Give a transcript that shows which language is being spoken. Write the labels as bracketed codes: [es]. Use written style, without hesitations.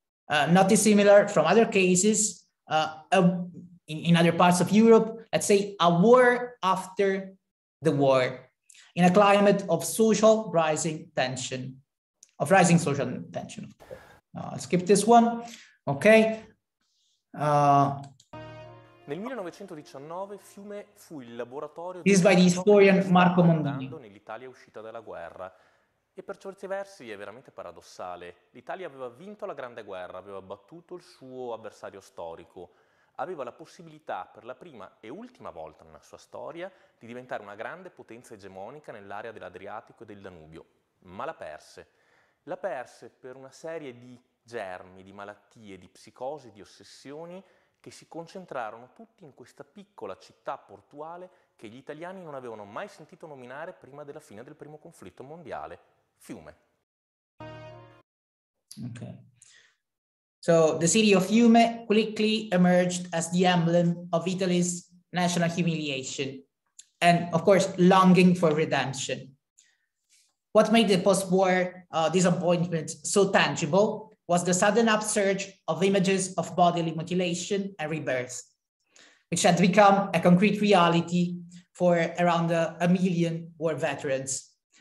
[en] Not dissimilar from other cases in other parts of Europe, let's say a war after the war, in a climate of social rising tension, of rising social tension. I'll skip this one, okay. [it] Nel 1919 Fiume fu il laboratorio [en] di... This is by the historian Marco Mondini. [it] ...nell'Italia uscita dalla guerra. E per certi versi è veramente paradossale. L'Italia aveva vinto la Grande Guerra, aveva battuto il suo avversario storico, aveva la possibilità per la prima e ultima volta nella sua storia di diventare una grande potenza egemonica nell'area dell'Adriatico e del Danubio, ma la perse. La perse per una serie di germi di malattie, di psicosi, di ossessioni che si concentrarono tutti in questa piccola città portuale che gli italiani non avevano mai sentito nominare prima della fine del primo conflitto mondiale, Fiume. [en] Okay. So the city of Fiume quickly emerged as the emblem of Italy's national humiliation and of course longing for redemption. What made the post-war disappointment so tangible was the sudden upsurge of images of bodily mutilation and rebirth, which had become a concrete reality for around a million war veterans.